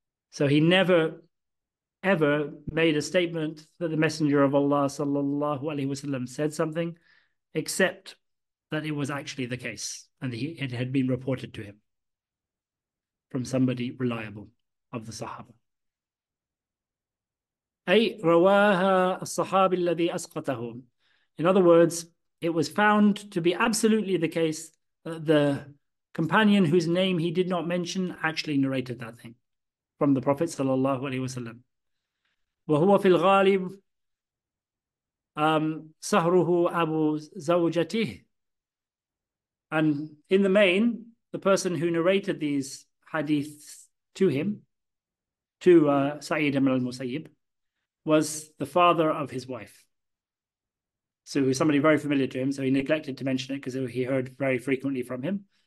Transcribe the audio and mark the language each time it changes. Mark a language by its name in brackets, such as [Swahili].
[English] So he never, ever made a statement that the Messenger of Allah sallallahu alaihi wasallam said something, except that it was actually the case, and it had been reported to him from somebody reliable of the Sahaba. [Arabic] أي رواها الصحابي الذي أسقطهم. [English] In other words, it was found to be absolutely the case that the companion whose name he did not mention actually narrated that thing from the Prophet sallallahu alaihi wasallam. [Arabic] وهو في الغالب سهره أبو زوجته. [English] And in the main, the person who narrated these hadiths to him, to Sa'id ibn al-Musayyib, was the father of his wife. So he was somebody very familiar to him, so he neglected to mention it because he heard very frequently from him.